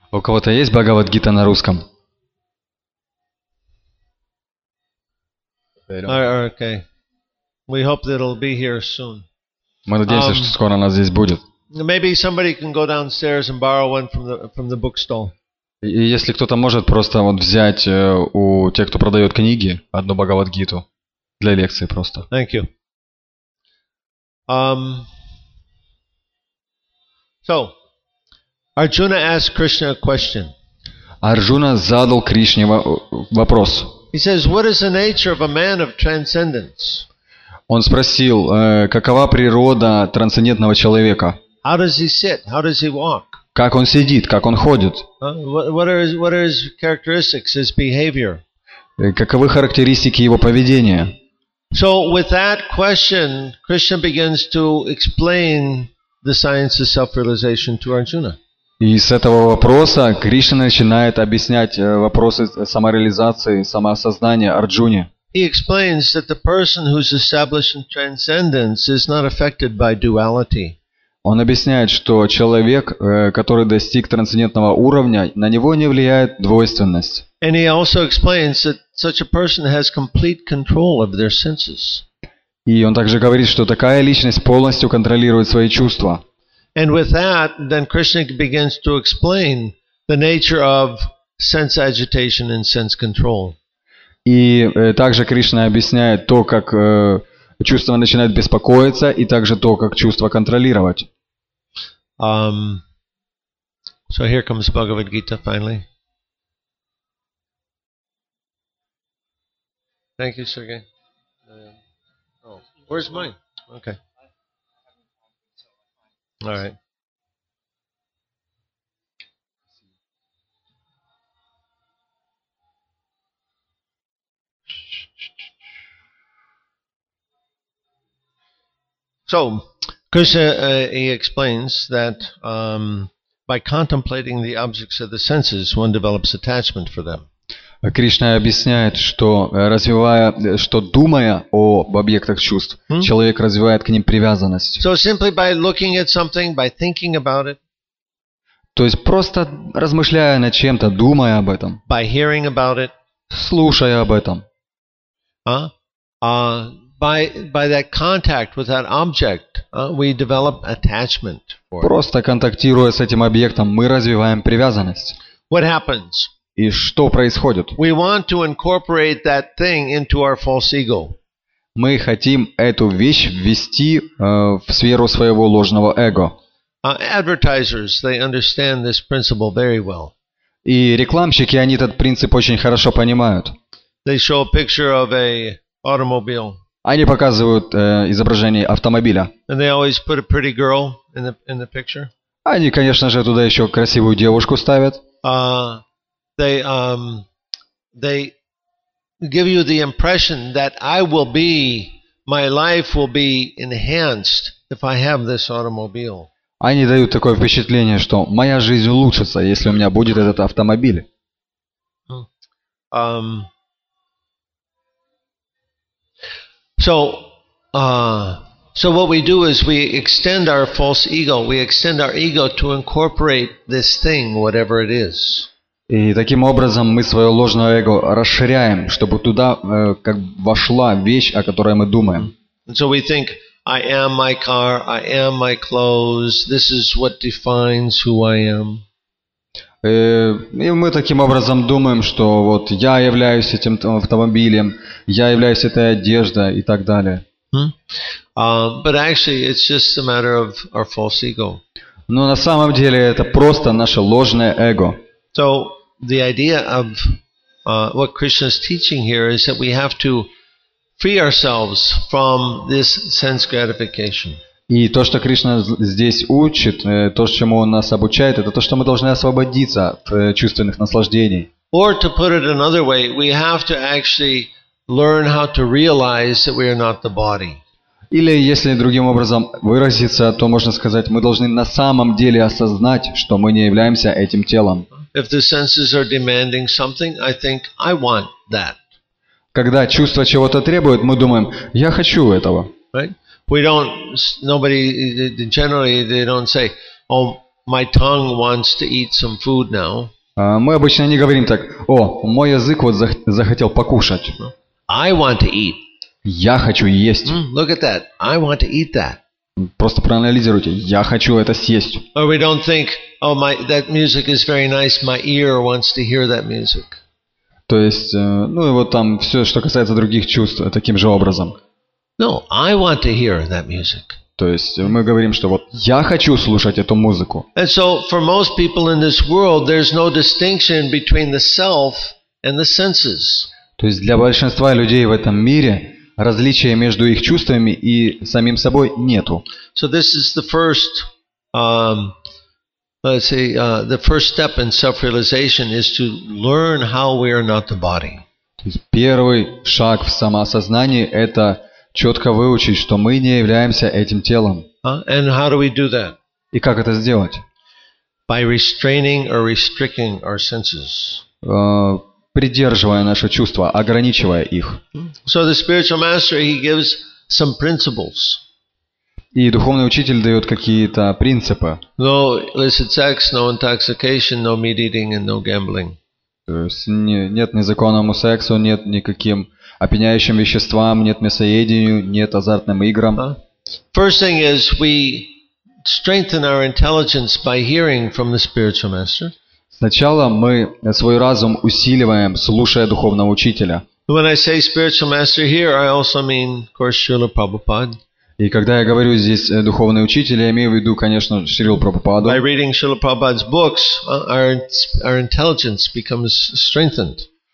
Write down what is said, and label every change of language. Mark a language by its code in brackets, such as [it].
[ru] У кого-то есть Бхагавад-гита на русском? [en] Okay. We hope that it'll be here soon. [ru] Мы надеемся, что скоро она здесь будет. [en] Maybe somebody can go downstairs and borrow one from the bookstall. [ru] И если кто-то может просто вот взять у тех, кто продает книги, одну Бхагавад-гиту для лекции просто. [en] Thank you. So, Arjuna asked Krishna a question. [ru] Arjuna задал Кришне вопрос. [en] He says, "What is the nature of a man of transcendence?" [ru] Он спросил, какова природа трансцендентного человека? [en] How does he sit? How does he walk? [ru] Как он сидит? Как он ходит? [en] What are his characteristics? His behavior? [ru] Каковы характеристики его поведения? [en] So with that question, Krishna begins to explain the science of self-realization to Arjuna. [ru] И с этого вопроса Кришна начинает объяснять вопросы самореализации, самоосознания Арджуне. [en] He explains that the person who's established in transcendence is not affected by duality. [ru] Он объясняет, что человек, который достиг трансцендентного уровня, на него не влияет двойственность. [en] And he also explains that such a person has complete control of their senses. [ru] И он также говорит, что такая личность полностью контролирует свои чувства. [en] And with that, then Krishna begins to explain the nature of sense agitation and sense control. [ru] И также Кришна объясняет то, как чувства начинают беспокоиться, и также то, как чувства контролировать. [en] So here comes Bhagavad Gita finally. Thank you, Sergey. Where's mine? Okay. All right. So, Krishna he explains that by contemplating the objects of the senses, one develops attachment for them. [ru] Кришна объясняет, что развивая, что думая об объектах чувств, человек развивает к ним привязанность. [en] So simply by looking at something, by thinking about it. [ru] То есть просто размышляя над чем-то, думая об этом. [en] By hearing about it. [ru] Слушая об этом. [en] By that contact with that object, we develop attachment for it. [ru] Просто контактируя с этим объектом, мы развиваем привязанность. [en] What happens? [ru] И что происходит? [en] We want to incorporate that thing into our false ego. [ru] Мы хотим эту вещь ввести в сферу своего ложного эго. [en] Advertisers, they understand this principle very well. [ru] И рекламщики, они этот принцип очень хорошо понимают. [en] They show a picture of a automobile. [ru] Они показывают изображение автомобиля. [en] And they always put a pretty girl in the picture. [ru] Они, конечно же, туда еще красивую девушку ставят. [en] They give you the impression that my life will be enhanced if I have this automobile. [ru] Они дают такое впечатление, что моя жизнь улучшится, если у меня будет этот автомобиль. [en] So what we do is we extend our false ego, we extend our ego to incorporate this thing, whatever it is. [ru] И таким образом мы свое ложное эго расширяем, чтобы туда как вошла вещь, о которой мы думаем. [en] And so we think, I am my car, I am my clothes, this is what defines who I am. [ru] И мы таким образом думаем, что вот я являюсь этим автомобилем, я являюсь этой одеждой и так далее. [en] But actually, it's just a matter of our false ego. [ru] Но на самом деле это просто наше ложное эго. [en] So the idea of what Krishna is teaching here is that we have to free ourselves from this sense gratification. [ru] И то, что Кришна здесь учит, то, чему он нас обучает, это то, что мы должны освободиться от чувственных наслаждений. [en] Or to put it another way, we have to actually learn how to realize that we are not the body. [ru] Или если другим образом выразиться, то можно сказать, мы должны на самом деле осознать, что мы не являемся этим телом. [en] If the senses are demanding something, I think I want that. [ru] Когда чувства чего-то требуют, мы думаем, я хочу этого. [en] Right? Generally they don't say, oh, my tongue wants to eat some food now. [ru] Мы обычно не говорим так: «О, мой язык вот захотел покушать». [en] I want to eat. [ru] Я хочу есть. [en] Look at that. I want to eat that. [ru] Просто проанализируйте. Я хочу это съесть. [en] Or we don't think, oh my, that music is very nice. My ear wants to hear that music. [ru] То есть, ну и вот там все, что касается других чувств, таким же образом. [en] No, I want to hear that music. [ru] То есть мы говорим, что вот я хочу слушать эту музыку. [en] And so for most people in this world, there's no distinction between the self and the senses. [ru] То есть для большинства людей в этом мире различия между их чувствами и самим собой нету. [en] So this is the first, let's say, the first step in self-realization is to learn how we are not the body. [ru] То есть первый шаг в самоосознании – это четко выучить, что мы не являемся этим телом. [en] And how do we do that? [ru] И как это сделать? [en] By restraining or restricting our senses. [ru] Придерживая наши чувства, ограничивая их. [en] So the spiritual master, he gives some principles. [ru] И духовный учитель дает какие-то принципы. [en] No illicit sex, no intoxication, no meat eating and no gambling. [ru] Нет незаконному сексу, нет никаким опьяняющим веществам, нет мясоедению, нет азартным играм. [en] First thing is we strengthen our intelligence by hearing from the spiritual master. [ru] Сначала мы свой разум усиливаем, слушая духовного учителя. [en] When I say spiritual master here, I also mean, of course, Srila Prabhupada. [ru] И когда я говорю здесь духовный учитель, я имею в виду, конечно, Шрилу Прабхупаду. [en] By reading Srila Prabhupada's books, our intelligence becomes strengthened.